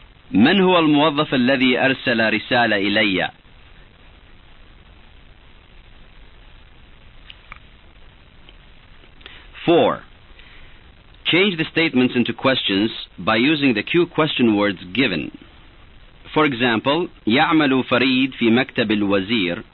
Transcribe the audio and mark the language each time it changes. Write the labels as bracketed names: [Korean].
[Arabic] من هو الموظف الذي أرسل رسالة إلي؟ [English] Four. Change the statements into questions by using the cue question words given. For example, [Arabic] يعمل فريد في مكتب الوزير.